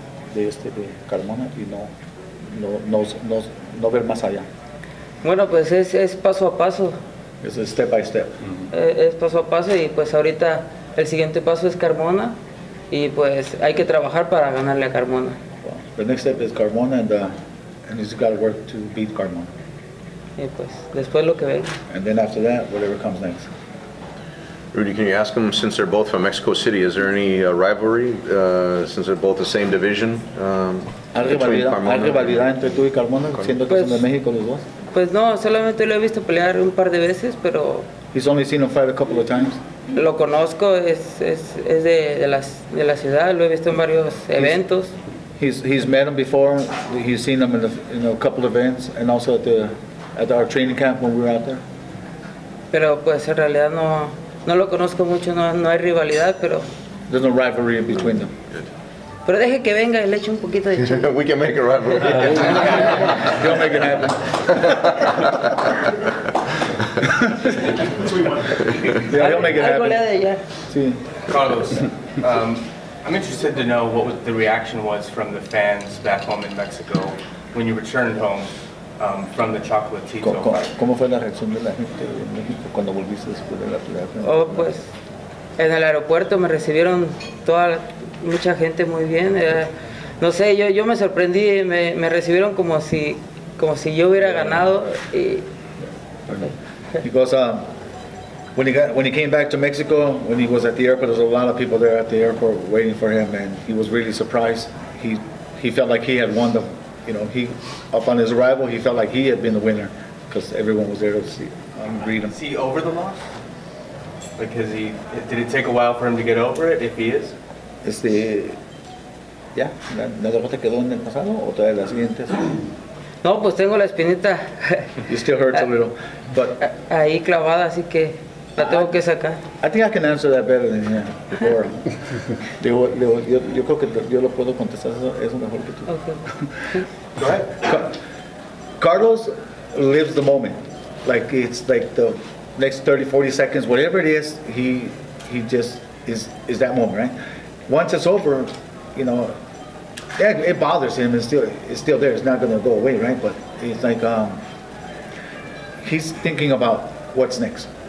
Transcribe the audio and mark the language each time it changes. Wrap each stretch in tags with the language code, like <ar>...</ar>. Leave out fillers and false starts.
<es>De este de Carmona y no ver más allá. Bueno, pues es paso a paso.</es> <en>Es step by step. Mm-hmm.</en> <es>Es paso a paso y pues ahorita el siguiente paso es Carmona y pues hay que trabajar para ganarle a Carmona.</es> <en>Well, the next step is Carmona and he's got to work to beat Carmona.</en> <es>Y pues después lo que ve.</es> <en>And then after that, whatever comes next. Rudy, can you ask them, since they're both from Mexico City, is there any rivalry, since they're both the same division, between Carmona?</en> <es>¿Hay rivalidad entre tú y Carmona, siendo que son de México los dos? Pues no, solamente lo he visto pelear un par de veces, pero...</es> <en>He's only seen him fight a couple of times.</en> <es>Lo conozco, es de la ciudad, lo he visto en varios eventos.</es> <en>He's met him before, he's seen him in a couple of events, and also at our training camp when we were out there.</en> <es>Pero pues en realidad no... No lo conozco mucho, no hay rivalidad, pero...</es> <en>There's no rivalry between them.</en> <es>Pero deje que venga y le eche un poquito de chile.</es> <en>We can make a rivalry. Go make it happen. Yeah, he'll make it happen.</en> <es>Algo le de ya. Sí.</es> <en>Carlos, I'm interested to know what the reaction was from the fans back home in Mexico when you returned home. From the Chocolatito.</en> <es>¿Cómo fue la reacción de la gente en México cuando volviste después de la pelea? Oh, pues, en el aeropuerto me recibieron mucha gente muy bien. No sé, yo me sorprendí, me recibieron como si yo hubiera ganado. Y...</es> <en>Because when he came back to Mexico, when he was at the airport, there was a lot of people there at the airport waiting for him, and he was really surprised. He felt like he had won the. You know, he, upon his arrival, he felt like he had been the winner because everyone was there to see him, greet him. Is he over the loss? Did it take a while for him to get over it, if he is?</en> <es>¿La derrota quedó en el pasado o todavía la siguiente? No, pues tengo la espinita.</es> <en>You still hurt a little, but...</en> <es>Ahí clavada, así que la tengo que sacar.</es> <en>I think I can answer that better than him before.</en> <es>yo creo que yo lo puedo contestar eso mejor que tú.</es> <en>Okay. Go ahead. Carlos lives the moment. Like it's like the next 30, 40 seconds, whatever it is, he just is that moment, right? Once it's over, you know, it bothers him. It's still there. It's not going to go away, right? But it's like he's thinking about what's next.</en>